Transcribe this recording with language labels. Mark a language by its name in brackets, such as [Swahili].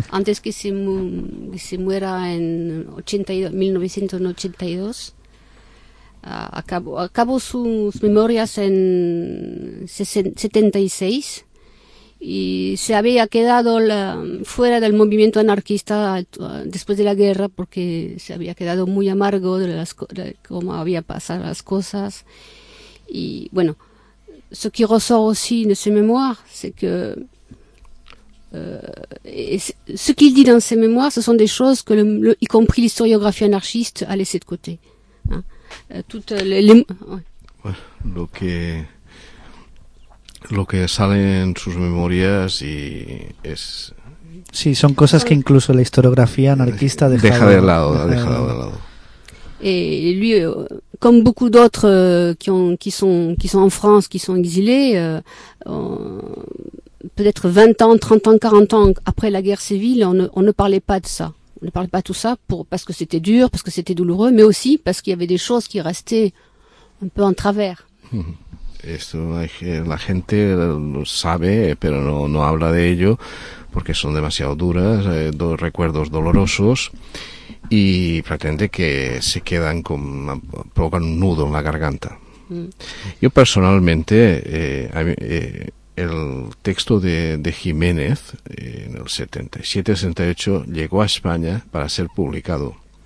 [Spanish] Antes que se muera en 1982, acabó sus memorias en 76 y se había quedado fuera del movimiento anarquista después de la guerra porque se había quedado muy amargo de cómo había pasado las cosas. [French] Y bueno, ce qui ressort aussi de ses mémoires, c'est que ce qu'il dit dans ses mémoires, ce sont des choses que, y compris l'historiographie anarchiste, a laissé de côté. Hein. Toutes les... [Spanish] Ouais. Ouais, lo que sale en sus memorias y es... Sí, son cosas que incluso la historiografía anarquista deja de lado. [French] Et lui, comme beaucoup d'autres qui sont en France, qui sont exilés, peut-être 20 ans, 30 ans, 40 ans après la guerre civile, on ne parlait pas de ça. On ne parlait pas de tout ça parce que c'était dur, parce que c'était douloureux, mais aussi parce qu'il y avait des choses qui restaient un peu en travers. [Spanish] Esto la gente lo sabe, pero no habla de ello porque son demasiado duras, dos recuerdos dolorosos. Y pretende que se quedan con, provocan un nudo en la garganta. Yo personalmente, el texto de Jiménez, en el 77-78, llegó a España para ser publicado.